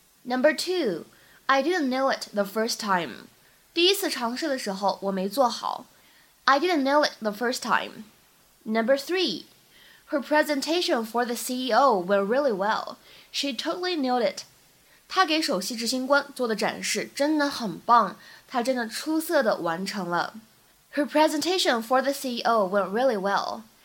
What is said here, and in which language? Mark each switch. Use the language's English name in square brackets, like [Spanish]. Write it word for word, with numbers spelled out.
[English] Number two, I didn't nail it the first time. [Chinese] 第一次尝试的时候我没做好。 [English] I didn't nail it the first time. Number three, her presentation for the C E O went really well. She totally nailed it. [Chinese] 他给首席执行官做的展示真的很棒，他真的出色地完成了。 [English] Her presentation for the C E O went really well.